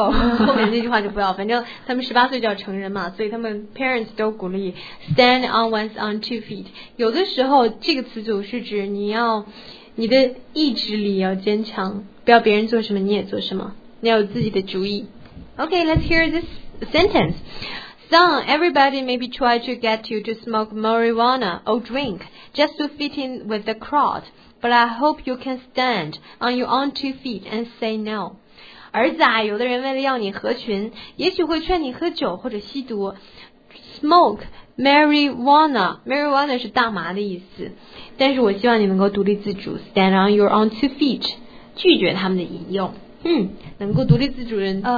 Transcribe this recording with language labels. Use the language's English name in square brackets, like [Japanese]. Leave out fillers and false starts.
[Chinese] 后面那句话就不要，反正他们十八岁就要成人嘛，所以他们 parents 都鼓励 [English] stand on one's own two feet. [Chinese] 有的时候这个词组是指你要你的意志力要坚强，不要别人做什么你也做什么，你要有自己的主意。 [English] OK, let's hear this sentence. Son, everybody maybe try to get you to smoke marijuana or drink just to fit in with the crowd, but I hope you can stand on your own two feet and say no. [Chinese] 儿子啊，有的人为了要你合群，也许会劝你喝酒或者吸毒。 [English] Smoke marijuana, marijuana [Chinese] 是大麻的意思，但是我希望你能够独立自主 [English] stand on your own two feet, [Chinese] 拒绝他们的引诱。嗯，能够独立自主人